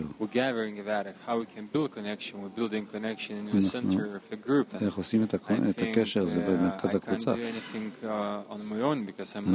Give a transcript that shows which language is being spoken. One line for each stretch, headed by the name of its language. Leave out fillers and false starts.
English: We're gathering about it. How we can build connection. We're building connection in the center of the group.
Hebrew: איך עושים את הקשר הזה במרכז הקבוצה.
English: I can't do anything on my own because I'm not.